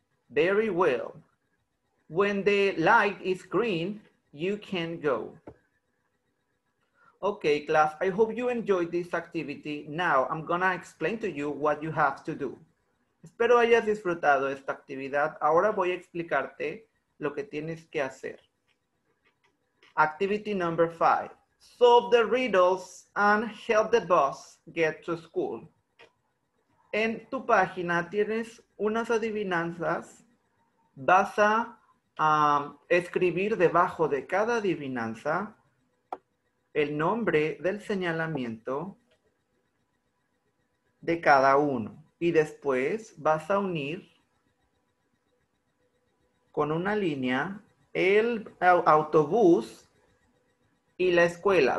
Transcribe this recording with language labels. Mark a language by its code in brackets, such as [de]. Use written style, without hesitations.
[en] Very well. When the light is green, you can go. Okay, class, I hope you enjoyed this activity. Now, I'm gonna explain to you what you have to do. [es] Espero hayas disfrutado esta actividad. Ahora voy a explicarte lo que tienes que hacer. [en] Activity number 5. Solve the riddles and help the bus get to school. [es] En tu página tienes unas adivinanzas. Vas a escribir debajo de cada adivinanza el nombre del señalamiento de cada uno. Y después vas a unir con una línea el autobús y la escuela.